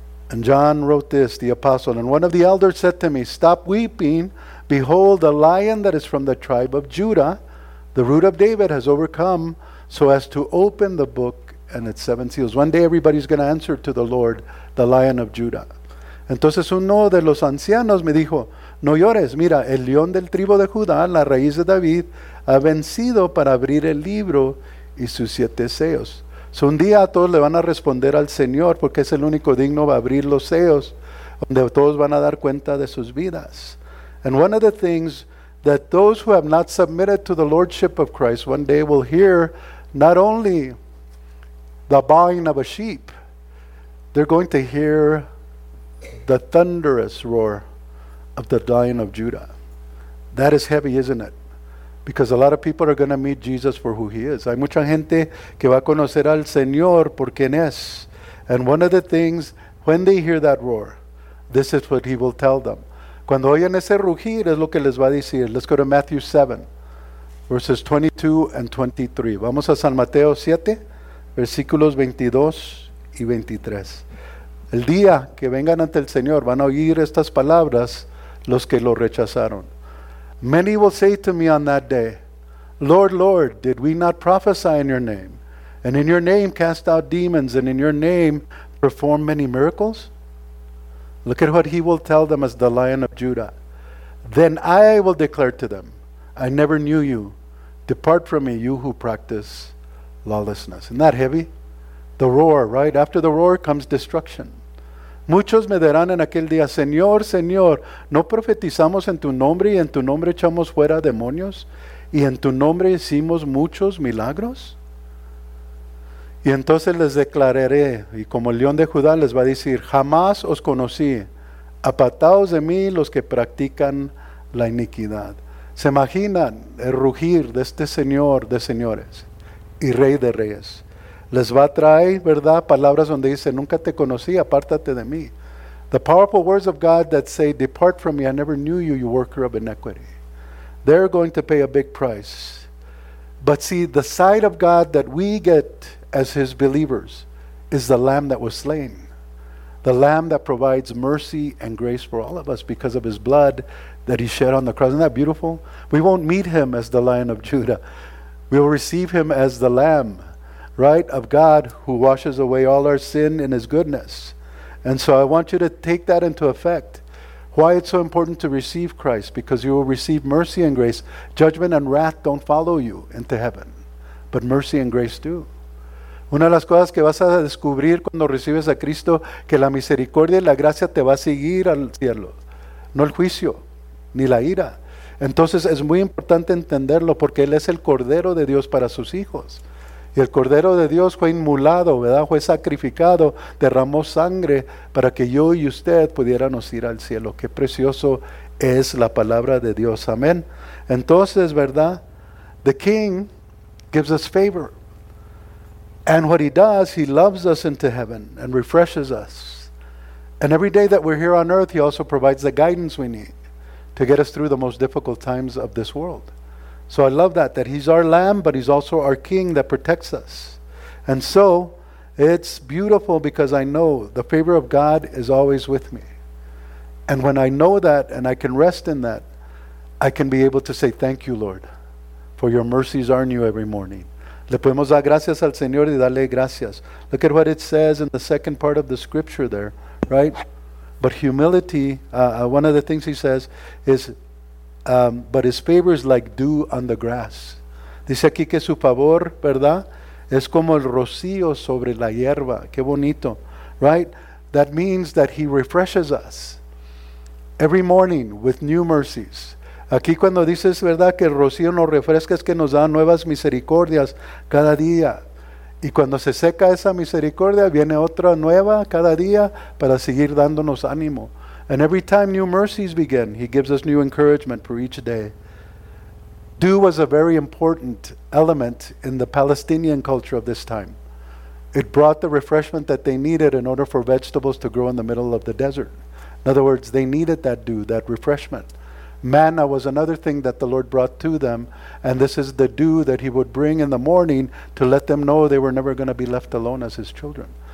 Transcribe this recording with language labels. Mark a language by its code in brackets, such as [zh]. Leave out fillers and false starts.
[en] And John wrote this, the apostle, "And one of the elders said to me, 'Stop weeping. Behold, the lion that is from the tribe of Judah, the root of David, has overcome so as to open the book and its seven seals.'" One day everybody's going to answer to the Lord, the Lion of Judah. [es] Entonces uno de los ancianos me dijo, "No llores, mira, el león del tribu de Judá, la raíz de David, ha vencido para abrir el libro y sus siete sellos." So un día todos le van a responder al Señor porque es el único digno de abrir los sellos donde todos van a dar cuenta de sus vidas. [en] And one of the things that those who have not submitted to the Lordship of Christ one day will hear, not only the baaing of a sheep, they're going to hear the thunderous roar of the Lion of Judah. That is heavy, isn't it? Because a lot of people are going to meet Jesus for who he is. [es] Hay mucha gente que va a conocer al Señor por quien es. [en] And one of the things, when they hear that roar, this is what he will tell them. [es] Cuando oyen ese rugir, es lo que les va a decir. [en] Let's go to Matthew 7, verses 22 and 23. [es] Vamos a San Mateo 7, versículos 22 y 23. El día que vengan ante el Señor, van a oír estas palabras los que lo rechazaron. [en] "Many will say to me on that day, 'Lord, Lord, did we not prophesy in your name? And in your name cast out demons, and in your name perform many miracles?'" Look at what he will tell them as the Lion of Judah. "Then I will declare to them, 'I never knew you. Depart from me, you who practice lawlessness.'" Isn't that heavy? The roar, right? After the roar comes destruction. [es] "Muchos me dirán en aquel día, 'Señor, Señor, ¿no profetizamos en tu nombre y en tu nombre echamos fuera demonios? ¿Y en tu nombre hicimos muchos milagros?' Y entonces les declararé, y como el león de Judá les va a decir, 'Jamás os conocí, apartaos de mí los que practican la iniquidad.'" ¿Se imaginan el rugir de este Señor de señores y Rey de reyes? Les va a traer, ¿verdad?, palabras donde dice, "Nunca te conocí, apártate de mí." [en] The powerful words of God that say, "Depart from me, I never knew you, you worker of iniquity." They're going to pay a big price. But see, the side of God that we get as his believers is the Lamb that was slain. The Lamb that provides mercy and grace for all of us because of his blood that he shed on the cross. Isn't that beautiful? We won't meet him as the Lion of Judah. We will receive him as the Lamb, right, of God, who washes away all our sin in his goodness. And so I want you to take that into effect. Why it's so important to receive Christ? Because you will receive mercy and grace. Judgment and wrath don't follow you into heaven, but mercy and grace do. [es] Una de las cosas que vas a descubrir cuando recibes a Cristo, que la misericordia y la gracia te va a seguir al cielo, no el juicio ni la ira. Entonces es muy importante entenderlo, porque él es el Cordero de Dios para sus hijos. Y el Cordero de Dios fue inmulado, ¿verdad? Fue sacrificado, derramó sangre para que yo y usted pudiéramos ir al cielo. Qué precioso es la palabra de Dios. Amén. Entonces, ¿verdad? [en] The King gives us favor. And what he does, he loves us into heaven and refreshes us. And every day that we're here on earth, he also provides the guidance we need to get us through the most difficult times of this world. So I love that he's our Lamb, but he's also our King that protects us. And so it's beautiful because I know the favor of God is always with me. And when I know that and I can rest in that, I can be able to say, thank you, Lord, for your mercies are new every morning. [es] Le podemos dar gracias al Señor y darle gracias. [en] Look at what it says in the second part of the scripture there, right? But humility, one of the things he says is, but his favor is like dew on the grass. [es] Dice aquí que su favor, ¿verdad? Es como el rocío sobre la hierba. Qué bonito, [en] right? That means that he refreshes us every morning with new mercies. [es] Aquí cuando dices, ¿verdad?, que el rocío nos refresca, es que nos da nuevas misericordias cada día. Y cuando se seca esa misericordia, viene otra nueva cada día para seguir dándonos ánimo. [en] And every time new mercies begin, he gives us new encouragement for each day. Dew was a very important element in the Palestinian culture of this time. It brought the refreshment that they needed in order for vegetables to grow in the middle of the desert. In other words, they needed that dew, that refreshment. Manna was another thing that the Lord brought to them, and this is the dew that he would bring in the morning to let them know they were never going to be left alone as his children.